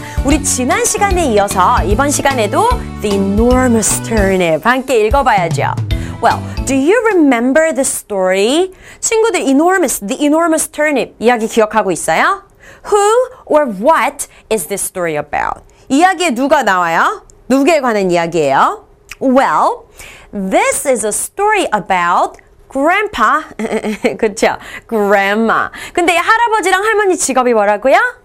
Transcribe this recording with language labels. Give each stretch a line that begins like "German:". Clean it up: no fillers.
Korean: 우리 지난 시간에 이어서 이번 시간에도 The Enormous Turnip 함께 읽어봐야죠.
English: Well, do you remember the story? 친구들, enormous, the enormous turnip
Korean: 이야기 기억하고 있어요?
English: Who or what is this story about?
Korean: 이야기에 누가 나와요? 누구에 관한 이야기예요?
English: Well, this is a story about Grandpa,
Korean: 그렇죠?
English: Grandma.
Korean: 근데 할아버지랑 할머니 직업이 뭐라고요?